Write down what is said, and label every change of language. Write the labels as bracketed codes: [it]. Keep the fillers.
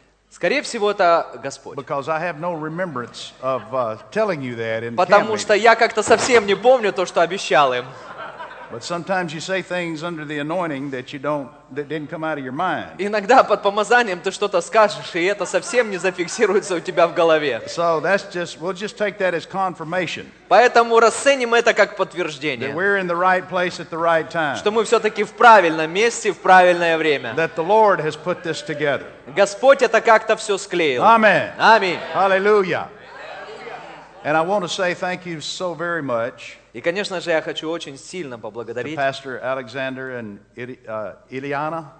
[ru] Скорее всего, это Господь. Потому что я как-то совсем не помню то, что обещал им. [en] But sometimes you say things under the anointing that you don't that didn't come out of your mind. [ru] Иногда под помазанием ты что-то скажешь, и это совсем не зафиксируется у тебя в голове. [en] So that's just we'll just take that as confirmation. [ru] Поэтому расценим это как подтверждение. [en] That we're in the right place at the right time. [ru] Что мы все-таки в правильном месте в правильное время. [en] That the Lord has put this together. [ru] Господь это как-то все склеил. [en] Amen. Hallelujah. And I want to say thank you so very much. [ru] И, конечно же, я хочу очень сильно поблагодарить пастор Александр и Ильяна.